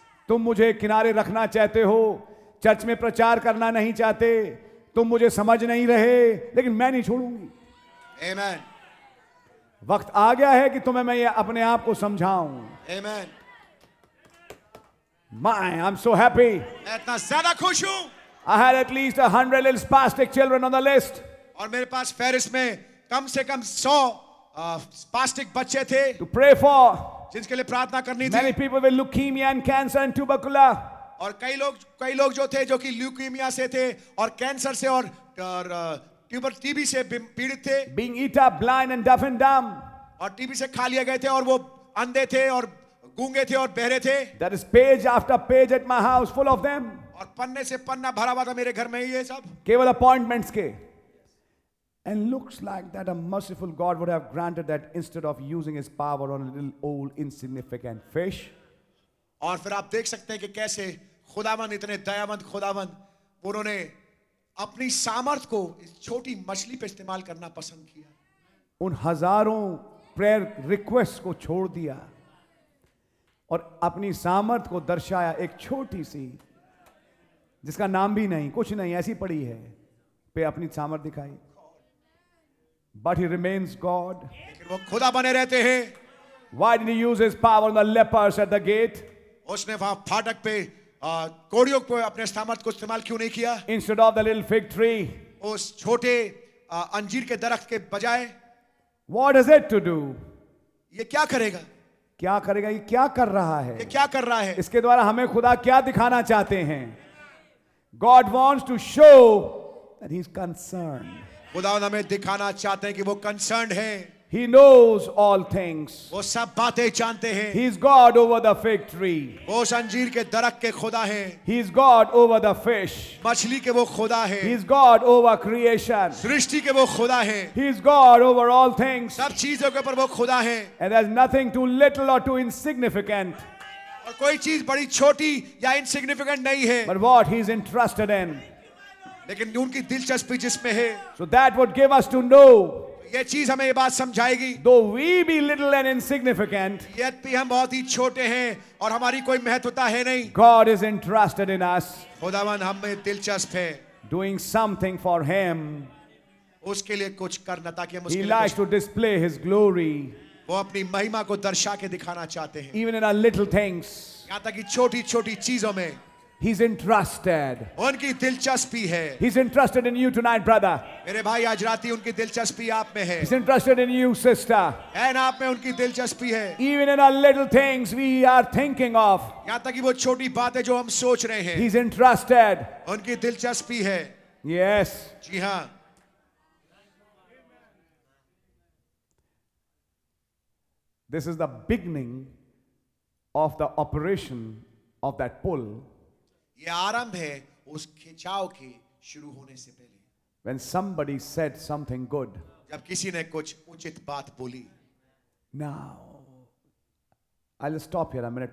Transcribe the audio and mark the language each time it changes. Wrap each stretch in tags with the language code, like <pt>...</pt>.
<hi>तुम मुझे किनारे रखना चाहते हो, चर्च में प्रचार करना नहीं चाहते, तुम मुझे समझ नहीं रहे, लेकिन मैं नहीं छोड़ूंगी.</hi> <en>Amen.</en> <hi>वक्त आ गया है कि तुम्हें मैं अपने आप को समझाऊं.</hi> <en>Amen. My, I'm so happy.</en> <hi>मैं इतना ज़्यादा खुश हूँ.</hi> <en>I had at least 100 little spastic children on the list.</en> <hi>और मेरे पास फेरिस में कम से कम 100 spastic बच्चे थे.</hi> <en>To pray for.</en> <hi>जिनके लिए प्रार्थना करनी थी.</hi> <en>Many people with leukemia and cancer and tubercula.</en> <hi>और कई लोग जो थे जो कि leukemia से थे और cancer से और tuber TB से पीड़ित थे.</hi> <en>Being eat up, blind and deaf and dumb.</en> <hi>और TB से खा लिए गए थे और वो अंधे थे और गूंगे थे और बहरे थे.</hi> <en>That is page after page at my house full of them.</en> <hi>और पन्ने से पन्ना भरा हुआ था मेरे घर में ये सब केवल अपॉइंटमेंट्स के.</hi> <en>And looks like that a merciful God would have granted that instead of using his power on a little old insignificant fish.</en> <hi>और फिर आप देख सकते हैं कि कैसे खुदावंद, इतने दयावंत खुदावंद, उन्होंने अपनी सामर्थ को इस छोटी मछली पे इस्तेमाल करना पसंद किया. उन हजारों प्रेयर रिक्वेस्ट को छोड़ दिया और अपनी सामर्थ को दर्शाया एक छोटी सी, जिसका नाम भी नहीं, कुछ नहीं, ऐसी पड़ी है, पे अपनी सामर्थ दिखाई.</hi> <en>But he remains God.</en> <hi>वो खुदा बने रहते हैं.</hi> <en>Why did he use his power on the lepers at the gate?</en> <hi>उसने वहां फाटक पे कोड़ियों को अपने सामर्थ को इस्तेमाल क्यों नहीं किया?</hi> <en>instead of the little fig tree,</en> <hi>उस छोटे अंजीर के दरख्त के बजाय.</hi> <en>What is it to do?</en> <hi>ये क्या करेगा? क्या करेगा? ये क्या कर रहा है? ये क्या कर रहा है? इसके द्वारा हमें खुदा क्या दिखाना चाहते हैं?</hi> <en>God wants to show that he's concerned.</en> <hi>खुदा हमें दिखाना चाहते हैं कि वो concerned है.</hi> <en>He knows all things.</en> <hi>वो सब बातें जानते हैं.</hi> <en>He's God over the fig tree.</en> <hi>वो अंजीर के दरख्त के खुदा है.</hi> <en>He's God over the fish.</en> <hi>मछली के वो खुदा है.</hi> <en>He's God over creation.</en> <hi>सृष्टि के वो खुदा है.</hi> <en>He's God over all things.</en> <hi>सब चीजों के ऊपर वो खुदा है.</hi> <en>And there's nothing too little or too insignificant.</en> <hi>और कोई चीज बड़ी छोटी या इनसिग्निफिकेंट नहीं है.</hi> <en>But what he's interested in.</en> <hi>लेकिन उनकी दिलचस्पी जिसमें है.</hi> <en>So that would give us to know.</en> <hi>ये चीज हमें ये बात समझाएगी.</hi> <en>Though we be little and insignificant,</en> <hi>यद भी हम बहुत ही छोटे हैं और हमारी कोई महत्वता है नहीं.</hi> <en>God is interested in us.</en> <hi>खुदावन हम में दिलचस्प है.</hi> <en>Doing something for him.</en> <hi>उसके लिए कुछ करना ताकि हम उसके लिए.</hi> <en>He likes to display his glory.</en> <hi>वो अपनी महिमा को दर्शा के दिखाना चाहते हैं.</hi> <en>Even in our little things.</en> <hi>यहाँ तक कि छोटी-छोटी चीजों में.</hi> <en>He's interested.</en> <hi>उनकी दिलचस्पी है.</hi> <en>He's interested in you tonight, brother.</en> <hi>मेरे भाई आज रात ही उनकी दिलचस्पी आप में है.</hi> <en>He's interested in you, sister. And</en> <hi>आप में उनकी दिलचस्पी है.</hi> <en>Even in our little things we are thinking of.</en> <hi>यहाँ तक कि वो छोटी बातें जो हम सोच रहे हैं.</hi> <en>He's interested.</en> <hi>उनकी दिलचस्पी है.</hi> <en>Yes.</en> <hi>जी हाँ.</hi> <en>This is the beginning of the operation of that pull.</en> <hi>ये आरंभ है उस खिंचाव के शुरू होने से पहले.</hi> <en>When somebody said something good.</en> <hi>जब किसी ने कुछ उचित बात बोली.</hi> <en>Now, I'll stop here a minute.</en>